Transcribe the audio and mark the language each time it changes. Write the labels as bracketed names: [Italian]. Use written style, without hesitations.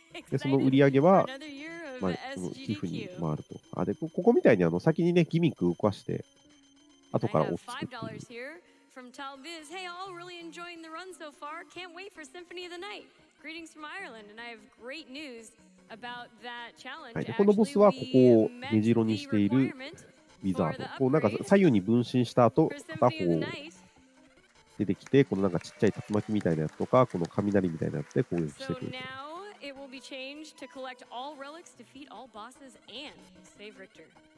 [Japanese] で、その売り上げは、まあ、寄付に回ると。あ、で、ここみたいに、あの、先にね、ギミック動かして、後から落ちてくる。 [English] From Talbiz. Hey, all really enjoying the run so far. Can't wait for Symphony of the Night. Greetings from Ireland, and I have great news about that challenge. [Japanese] このボスはここを目白にしているウィザード。こうなんか左右に分身した後、片方出てきて、このなんかちっちゃい竜巻みたいなやつとか、この雷みたいなやつで攻撃してくる。 [English] So now it will be changed to collect all relics, defeat all bosses, and save Richter.